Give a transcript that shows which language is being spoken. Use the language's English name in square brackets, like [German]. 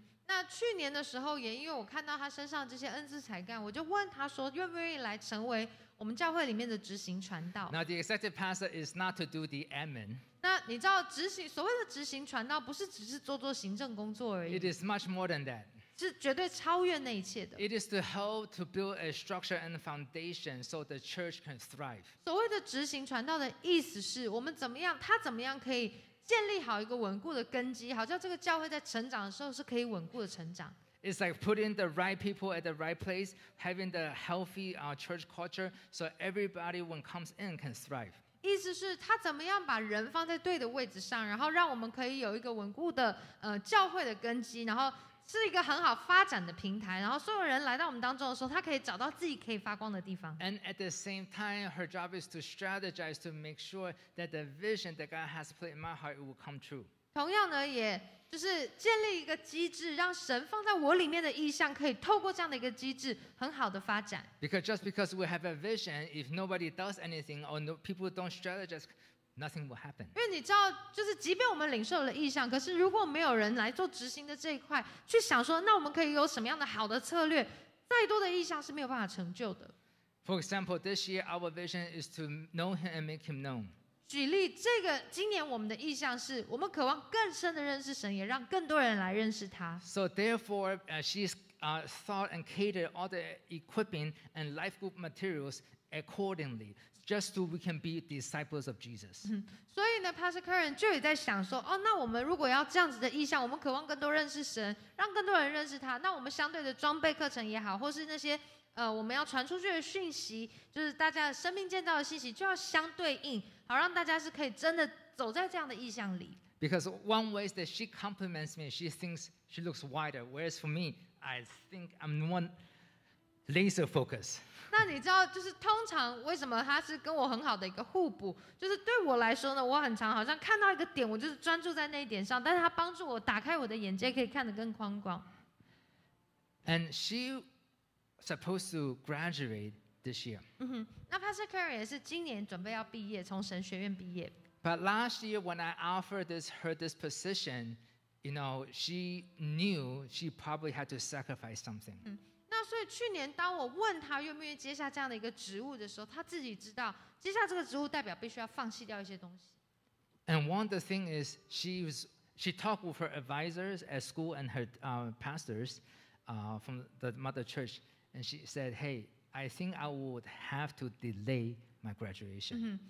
[Chinese] 那去年的时候，也因为我看到她身上这些恩赐才干，我就问她说，愿不愿意来成为我们教会里面的执行传道。 [English] Now the executive pastor is not to do the admin. [Chinese] 那你知道执行所谓的执行传道，不是只是做行政工作而已。 [English] It is much more than that. [Chinese] 是绝对超越那一切的。 [English] It is to help to build a structure and foundation so the church can thrive. [Chinese] 所谓的执行传道的意思是，我们怎么样，他怎么样可以建立好一个稳固的根基，好像这个教会在成长的时候是可以稳固的成长。 [English] It's like putting the right people at the right place, having the healthy church culture, so everybody when comes in can thrive. [Chinese] 意思是他怎么样把人放在对的位置上，然后让我们可以有一个稳固的教会的根基，然后是一个很好发展的平台，然后所有人来到我们当中的时候，他可以找到自己可以发光的地方。 [English] And at the same time, her job is to strategize to make sure that the vision that God has put in my heart will come true. [Chinese] 同样呢，也就是建立一个机制，让神放在我里面的意向可以透过这样的一个机制很好的发展。 [English] Because just because we have a vision, if nobody does anything or no, people don't strategize,Nothing will happen. [Chinese] 因为你知道，就是即便我们领受了意向，可是如果没有人来做执行的这一块，去想说，那我们可以有什么样的好的策略？再多的意向是没有办法成就的。 [English] For example, this year our vision is to know him and make him known. [Chinese] 举例，这个今年我们的意向是我们渴望更深的认识神，也让更多人来认识他。 [English] So therefore, she's thought and catered all the equipping and life group materials accordingly. Just so we can be disciples of Jesus. [Chinese] 所以呢 ，Pastor Karen 就也在想说，哦，那我们如果要这样子的意向，我们渴望更多认识神，让更多人认识他，那我们相对的装备课程也好，或是那些我们要传出去的讯息，就是大家的生命建造的信息，就要相对应，好让大家是可以真的走在这样的意向里。 [English] Because one way is that she compliments me, she thinks she looks wider, whereas for me, I think I'm one laser focus. [Chinese] 那你知道，就是通常为什么他是跟我很好的一个互补？就是对我来说呢，我很常好像看到一个点，我就是专注在那一点上，但是他帮助我打开我的眼界，可以看得更宽广。 [English] And she supposed to graduate this year. [Chinese] 嗯哼，那 Pastor Karen 也是今年准备要毕业，从神学院毕业。 [English] But last year when I offered her this position, you know, she knew she probably had to sacrifice something.、 [Chinese] 嗯那所以去年当我问他愿不愿意接下这样的一个职务的时候，他自己知道接下这个职务代表必须要放弃掉一些东西。 [English] And one of the thing is she talked with her advisors at school and her pastors, from the mother church, and she said, "Hey, I think I would have to delay my graduation."